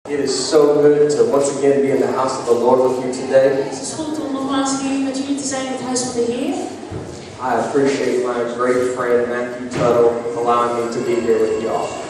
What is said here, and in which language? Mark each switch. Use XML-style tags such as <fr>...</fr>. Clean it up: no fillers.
<en>It is so good to once again be in the house of the Lord with you today.</en> <nl>Het is goed om nogmaals hier met jullie te zijn in het huis van de Heer.</nl> <en>I appreciate my great friend Matthew Tuttle allowing me to be here with y'all.</en>